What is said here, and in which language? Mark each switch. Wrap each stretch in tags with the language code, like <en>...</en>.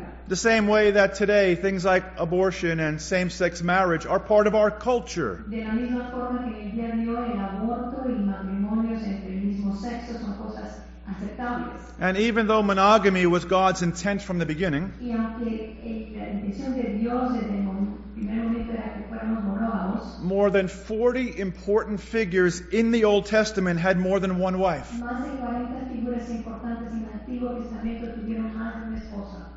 <en>The same way that today things like abortion and same-sex marriage are part of our culture.</en> <es>De la misma forma que el día de hoy el aborto y matrimonios entre el mismo sexo son cosas aceptables.</es> <en>And even though monogamy was God's intent from the beginning,</en> <es>y aunque la intención de Dios desde el primer momento era que fuéramos monógamos,</es> <en>more than 40 important figures in the Old Testament had more than one wife.</en> <es>Más de 40 figuras importantes en el Antiguo Testamento tuvieron más de una esposa.</es>